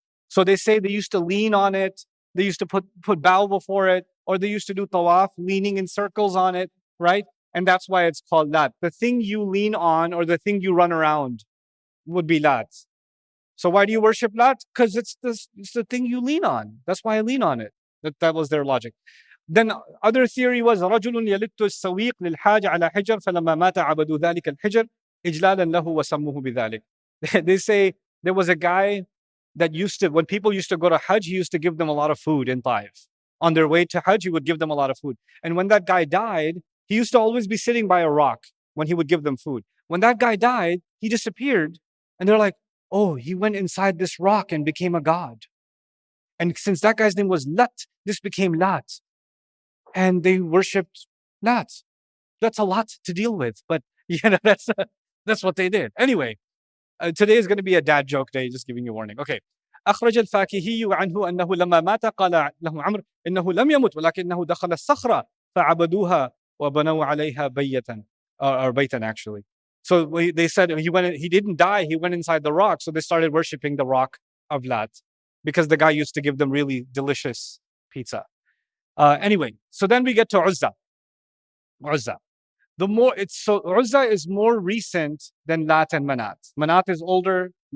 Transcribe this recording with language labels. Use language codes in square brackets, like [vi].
[en] So they say they used to lean on it. They used to put bow before it. Or they used to do tawaf, leaning in circles on it, right? And that's why it's called lat. The thing you lean on or the thing you run around would be lat. So why do you worship lat? Because it's the thing you lean on. That's why I lean on it. That was their logic. Then other theory was, [ar] رَجُلٌ يَلِتُّ السَّوِيقِ لِلْحَاجِ عَلَى حِجَرْ فَلَمَّا مَاتَ عَبَدُوا ذَلِكَ الْحِجَرْ إِجْلَالًا لَهُ وَسَمُّهُ بِذَلِكَ. [en] They say there was a guy that used to, when people used to go to Hajj, he used to give them a lot of food in Taif. On their way to Hajj, he would give them a lot of food. And when that guy died, he used to always be sitting by a rock when he would give them food. When that guy died, he disappeared. And they're like, oh, he went inside this rock and became a god. And since that guy's name was Lat, this became Lat. And they worshipped Lat. That's a lot to deal with. But you know, that's what they did. Anyway, today is going to be a dad joke day, just giving you a warning. Okay. [ar] أخرج الفاكهي عنه أنه لما مات قال له عمر إنه لم يمت ولكنه دخل الصخرة فعبدوها وبنوا عليها بيتا [en] or [ar] بيتا [en] actually. So they said he didn't die, he went inside the rock, so they started worshipping the rock of Lat because the guy used to give them really delicious pizza. Anyway, so then we get to Uzza. Uzza. The more it's so Uzza is more recent than Lat and Manat. Manat is older.